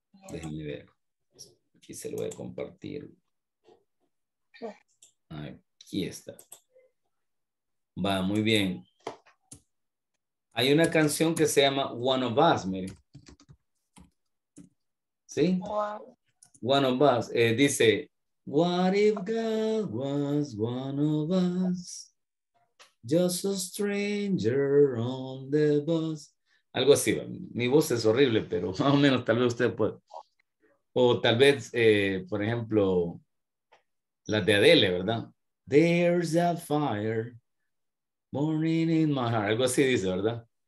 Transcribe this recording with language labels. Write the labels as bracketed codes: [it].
[es] Déjenme ver. Aquí se lo voy a compartir. Aquí está. Va, muy bien. Hay una canción que se llama One of Us, mire. ¿Sí? One of Us. Dice, [en] what if God was one of us? Just a stranger on the bus. [es] Algo así. Mi voz es horrible, pero más o menos tal vez usted puede. O tal vez, por ejemplo, la de Adele, ¿verdad? [en] There's a fire burning in my heart. [es] Algo así dice, ¿verdad?